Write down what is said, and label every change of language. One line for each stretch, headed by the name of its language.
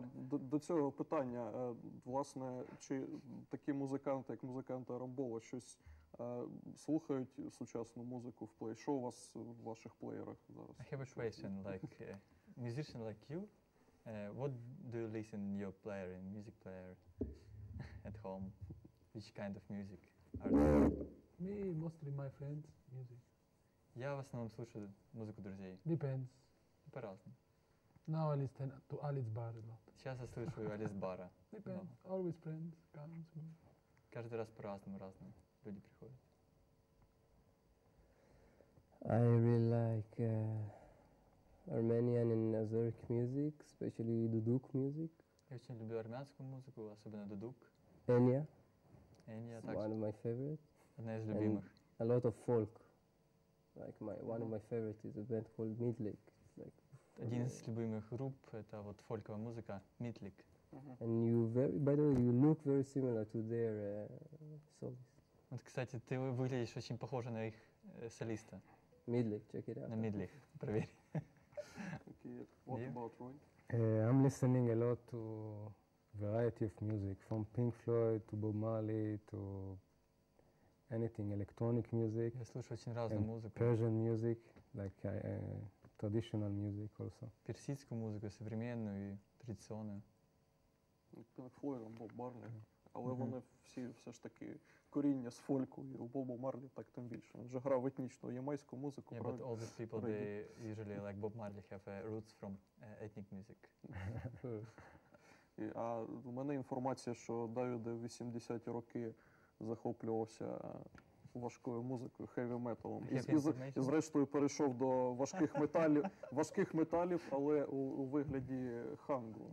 Ukrainian: До цього питання, власне, чи такі музиканти, як музиканти Арамбола, щось слухають сучасну музику в плей? Що у вас в ваших плеєрах зараз?
English: I have a question, like, musician like you, what do you listen in your player, in music player at home? Which kind of music are there? Me, mostly my friends, music.
Russian: Я в основному слушаю музику друзей.
English: Depends.
Russian: По-разному.
English: Now I listen to Alice Bar a lot.
Russian: Сейчас я слушаю Alice Bar.
English: Depends. No. Always friends comes.
Russian: Каждый раз по-разному, разные люди приходят.
English: I really like Armenian and Azeric music, especially Duduk music.
Russian: Я очень люблю армянскую музыку, особенно Duduk.
English: Enya.
Russian: Enya также.
English: One of my favorite.
Russian: Одна из любимых.
English: And a lot of folk. Like my one of my favorite is a band called Midlake. Like
Russian: один из любимых групп это вот фольковая музыка Midlake.
English: And you very, by the way, you look very similar to their solist.
Russian: Вот, кстати, ты выглядишь очень похоже на их солиста.
English: Midlake, check it out.
Russian: На Midlake, проверь.
English: Okay. What about Roy? I'm listening a lot to variety of music from Pink Floyd to Bob Marley to anything electronic music.
Russian: Я слушаю очень разную музыку.
English: Persian music, like traditional music also.
Russian: Персидскую музыку, современную
Ukrainian: і традиційну.
English: Pink Floyd, Bob Marley.
Ukrainian: Але вони всі все ж таки коріння з фольку, і у Боба Марлі так тим більше. Він же грав етнічну ямайську музику.
English: Yeah, but all these people, they usually like Bob Marley have roots from ethnic music.
Ukrainian: А в мене інформація, що Давіде 80-ті роки захоплювався важкою музикою, хеві металом. І зрештою перейшов до важких металів, але у вигляді хангу.